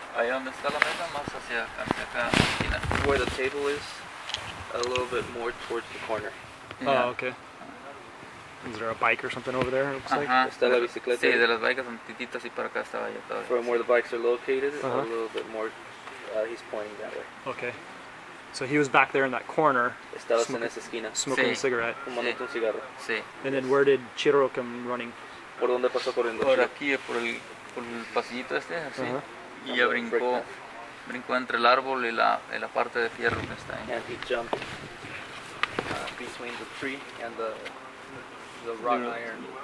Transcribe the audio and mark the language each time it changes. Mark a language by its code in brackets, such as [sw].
[es] Ahí donde está la mesa, más hacia acá. [en] Where the table is, a little bit more towards the corner. Yeah. Oh, okay. Is there a bike or something over there, it looks [es] like? Está la bicicleta. Sí, de las bicas un titito así para acá estaba yo todavía. [en] From where the bikes are located, a little bit more, he's pointing that way. Okay. So he was back there in that corner, [es] estabas [en] smoking, [es] en esa esquina. [en] Smoking [es] sí. [en] a cigarette. [es] Fumando un cigarro. Sí. [en] And then where did Chiro come running? [es] ¿Por dónde pasó corriendo? Por aquí, por el pasillito este, así. Y ya brincó entre el árbol y la parte de fierro que está ahí. [en] And he jumped between the tree and the wrought iron.